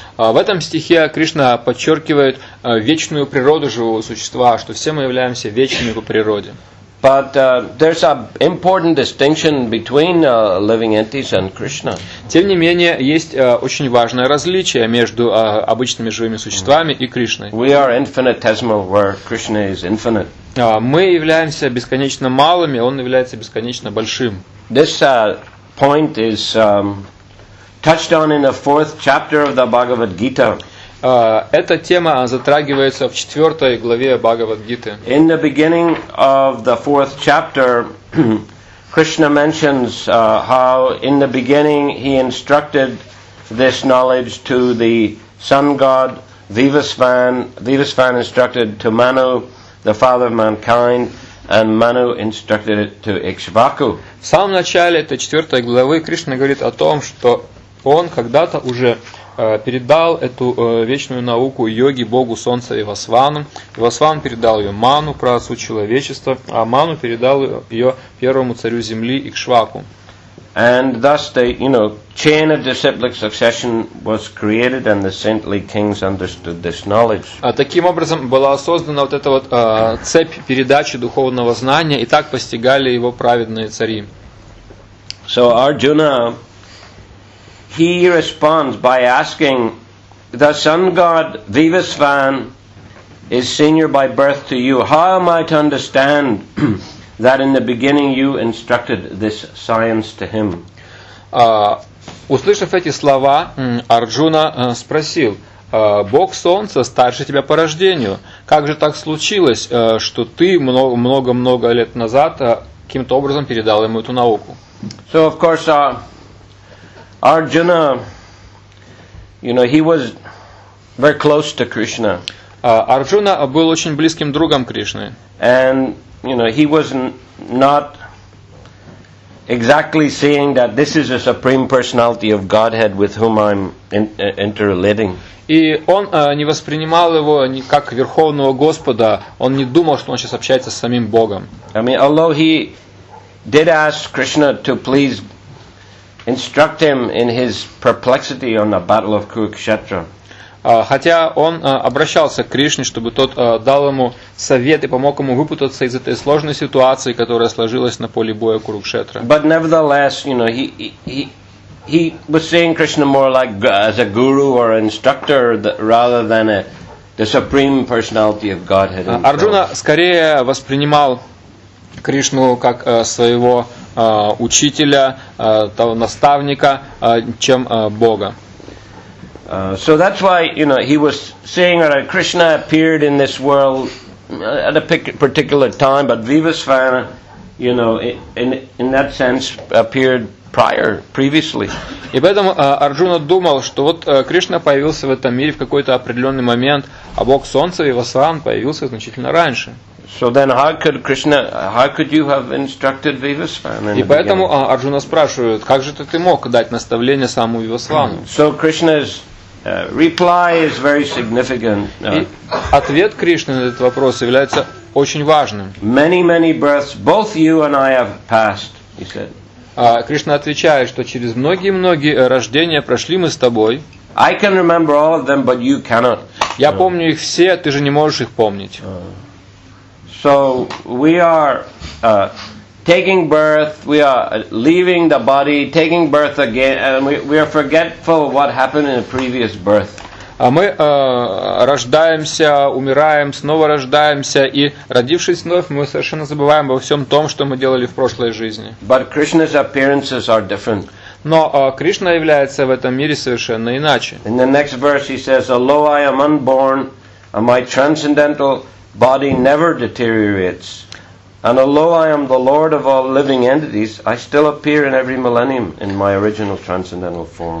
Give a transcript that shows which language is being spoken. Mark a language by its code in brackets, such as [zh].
[ru] В этом стихе Кришна подчеркивает вечную природу живого существа, что все мы являемся вечными по природе. [en] But there's an important distinction between living entities and Krishna. [ru] Тем не менее, есть очень важное различие между обычными живыми существами и Кришной. [en] We are infinitesimal, where Krishna is infinite. [ru] Мы являемся бесконечно малыми, он является бесконечно большим. [en] This point is touched on in the fourth chapter of the Bhagavad Gita. [ru] Эта тема затрагивается в четвертой главе Бхагавад-гиты. [en] In the beginning of the fourth chapter, Krishna mentions how in the beginning he instructed this knowledge to the sun god Vivasvan. Vivasvan instructed to Manu, the father of mankind, and Manu instructed it to Ikshvaku. [ru] В самом начале этой четвертой главы Кришна говорит о том, что он когда-то уже передал эту вечную науку йоги Богу Солнца Вивасвану. Вивасван передал ее Ману, праотцу человечества, а Ману передал ее первому царю земли Икшваку. [en] And thus the, you know, chain of disciplic succession was created, and the saintly kings understood this knowledge. [ru] Таким образом была создана вот эта вот цепь передачи духовного знания, и так постигали его праведные цари. [en] So Arjuna, he responds by asking, the sun god Vivasvan is senior by birth to you. How am I to understand that in the beginning you instructed this science to him? [ru] Услышав эти слова, Арджуна спросил, Бог Солнца старше тебя по рождению. Как же так случилось, что ты много-много лет назад каким-то образом передал ему эту науку? [en] So, of course, Arjuna, you know, he was very close to Krishna. [ru] Арджуна был очень близким другом Кришны. [en] And, you know, he was not exactly seeing that this is a supreme personality of Godhead with whom I'm interrelating. [ru] И он не воспринимал его ни как верховного Господа. Он не думал, что он сейчас общается с самим Богом. [en] I mean, although he did ask Krishna to please instruct him in his perplexity on the battle of Kurukshetra. [ru] Хотя он обращался к Кришне, чтобы тот дал ему совет и помог ему выпутаться из этой сложной ситуации, которая сложилась на поле боя Курукшетра. [en] But nevertheless, you know, he was seeing Krishna more like as a guru or instructor rather than the supreme personality of Godhead. [ru] Арджуна скорее воспринимал Кришну как своего учителя, того наставника, чем Бога. [en] So that's why, you know, he was saying that Krishna appeared in this world at a particular time, but Vivasvana, you know, in that sense appeared prior, previously. [ru] И поэтому Арджуна думал, что вот Кришна появился в этом мире в какой-то определенный момент, а Бог Солнца Вивасвана появился значительно раньше. [en] So then how could Krishna, how could you have instructed Vivasvan? [ru] И поэтому Арджуна спрашивает, как же ты мог дать наставление самому Вивасвану? [en] So Krishna's reply is very significant. [ru] Ответ Кришны на этот вопрос является очень важным. [en] Many, many births both you and I have passed, he said. [ru] Кришна отвечает, что через многие-многие рождения прошли мы с тобой. [en] I can remember all of them, but you cannot. [ru] Я помню их все, ты же не можешь их помнить. [en] So we are taking birth, we are leaving the body, taking birth again, and we are forgetful of what happened in a previous birth. [ru] Мы рождаемся, умираем, снова рождаемся, и родившись вновь, мы совершенно забываем обо всем том, что мы делали в прошлой жизни. [en] But Krishna's appearances are different. [ru] Но Кришна является в этом мире совершенно иначе. [en] In the next verse he says, although I am unborn, my transcendental body never deteriorates. And although I am the Lord of all living entities, I still appear in every millennium in my original transcendental form.